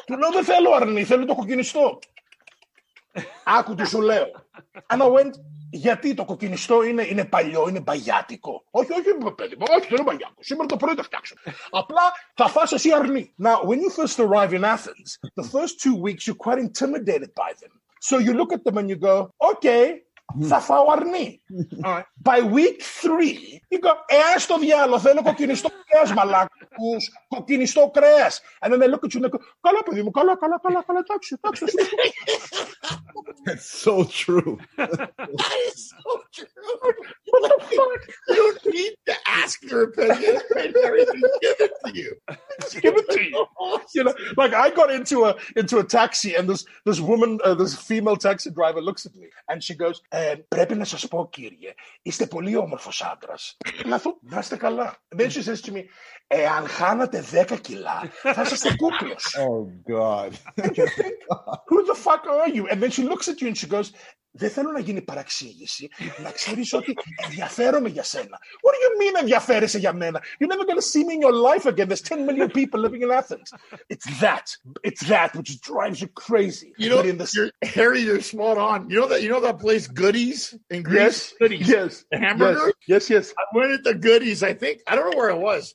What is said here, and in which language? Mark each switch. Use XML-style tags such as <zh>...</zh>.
<el>Του λέω, δεν θέλω αρνί, θέλω το κοκκινιστό. Άκου τι σου λέω.</el> <en>And I went,</en> <el>γιατί το κοκκινιστό είναι παλιό, είναι παγιάτικο. Όχι, όχι, παιδί μου, όχι, δεν είναι παγιάτικο. Σήμερα το πρωί το φτιάξω. Απλά θα φας εσύ αρνί.</el> <en>Now, when you first arrive in Athens, the first 2 weeks you're quite intimidated by them. So you look at them and you go, okay.</en> <el>Θα φάω αρνί.</el> <en>By week 3, you go,</en> <el>ας το διάλο, θέλω κοκκινιστό κρέας, μαλάκους, κοκκινιστό κρέας.</el> <en>And then they look at you and they go,</en> <el>καλά παιδί μου, καλά, καλά, καλά, καλά, τάξε, τάξε.</el> <en>That's so true. That is so true. What the fuck? You don't need to ask your opinion. Just give it to you. Just give it to you. You know, like I got into a taxi and this woman, this female taxi driver looks at me and she goes,</en> <el>πρέπει να σας πω, κύριε, είστε πολύ όμορφος άντρας. Να είστε καλά.</el> <en>Then she says to me,</en> <el>εάν χάνατε 10 κιλά, θα είστε κούκλος.</el> <en>Oh, God. And you think, who the fuck are you? And then she looks at you and she goes,</en> <el>δεν θέλω να γίνει παραξήγηση, να ξέρεις ότι ενδιαφέρομαι για σένα.</el> <en>What do you mean</en> <el>ενδιαφέρεσαι για μένα?</el> <en>You're never going to see me in your life again. There's 10 million people living in Athens. It's that which drives you crazy. You know, Harry, you're spot on. You know that place Goodies in Greece? Yes. Goodies. Yes. Hamburger? Yes, yes. I went at the Goodies, I think. I don't know where it was.</en>